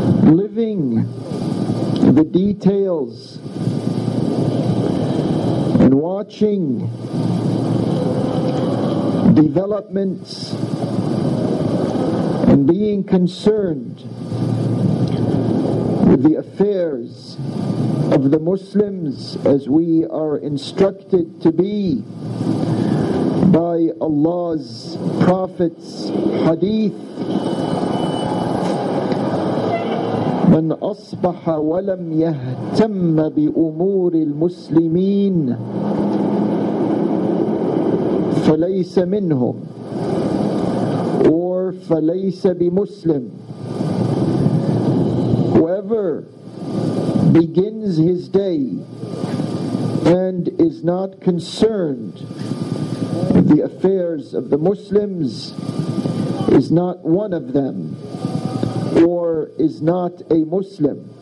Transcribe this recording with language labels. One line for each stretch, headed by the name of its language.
English: Living the details and watching developments and being concerned with the affairs of the Muslims as we are instructed to be by Allah's Prophet's hadith.
Arabic: من أصبح ولم يهتم بأمور المسلمين فليس منهم or فليس بمسلم.
English: Whoever begins his day and is not concerned with the affairs of the Muslims is not one of them or is not a Muslim.